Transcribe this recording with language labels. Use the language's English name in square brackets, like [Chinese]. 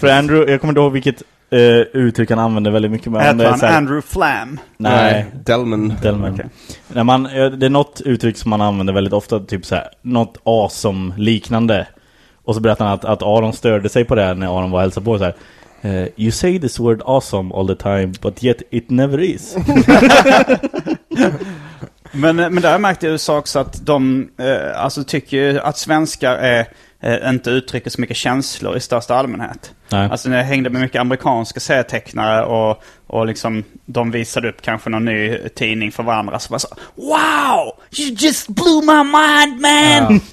[Swedish] För Andrew, jag kommer då vilket uttryck han använder väldigt mycket. Äter han såhär, Andrew Flam? Nej. Delman. [English] Okay. [Swedish] Nej, det är något uttryck som man använder väldigt ofta, typ såhär, något awesome liknande. Och så berättar han att Aron störde sig på det när Aron var hälsa på så här. [English] You say this word awesome all the time, but yet it never is. [Swedish] Men där märkte jag också också att de alltså tycker ju att svenskar är, inte uttrycker så mycket känslor i största allmänhet. Nej. Alltså när jag hängde med mycket amerikanska serietecknare och liksom de visade upp kanske någon ny tidning för varandra så var så, [English] wow, you just blew my mind, man!